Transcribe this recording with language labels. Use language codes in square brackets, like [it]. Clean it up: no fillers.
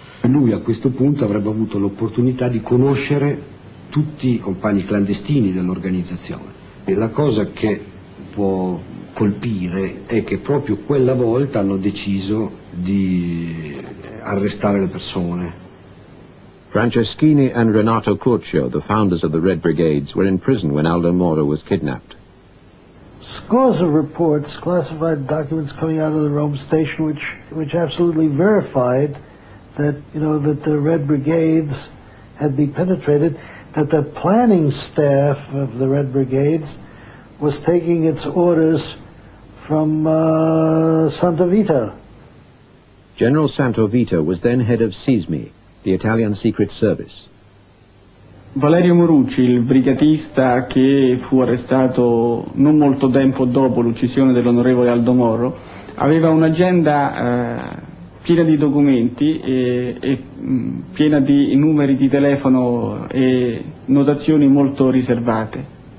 [it] Lui a questo punto avrebbe avuto l'opportunità di conoscere tutti i compagni clandestini dell'organizzazione. E la cosa che può colpire è che proprio quella volta hanno deciso di arrestare le persone. [en] Franceschini and Renato Curcio, the founders of the Red Brigades, were in prison when Aldo Moro was kidnapped. Scores of reports, classified documents coming out of the Rome station, which absolutely verified that, you know, that the Red Brigades had been penetrated, that the planning staff of the Red Brigades was taking its orders from Santavita. General Santavita was then head of SISMI, the Italian Secret Service. [it] Valerio Morucci, il brigatista che fu arrestato non molto tempo dopo l'uccisione dell'onorevole Aldo Moro, aveva un'agenda piena di documenti e piena di numeri di telefono e notazioni molto riservate.